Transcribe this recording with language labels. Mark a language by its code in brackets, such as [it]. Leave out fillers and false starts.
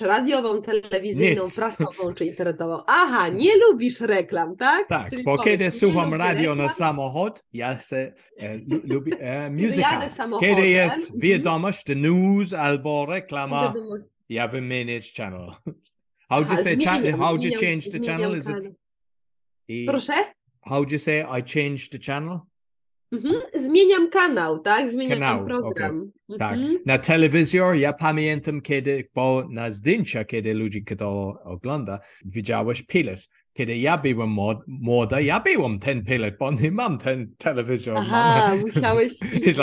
[pl] Radiową, telewizyjną, nic, prasową czy internetową? Aha, nie lubisz reklam, tak? Tak, czyli bo powiedz, kiedy słucham radio reklam? Na samochód, ja chcę lubię musical. Kiedy jest wiadomość, [en] the news [pl] albo reklama, ja wymienię channel. [en] How do you say how do you change the channel? Is it... [pl] Proszę? [en] How do you say I change the channel? [pl] Zmieniam kanał, tak? Zmieniam kanał, ten program. [en] Okay. [pl] Tak. Na telewizor, ja pamiętam kiedy, bo na zdjęcia, kiedy ludzi kto ogląda, widziałeś pilot. Kiedy ja byłem młoda, ja byłem ten pilot, bo nie mam ten telewizor. Aha, musiałeś iść do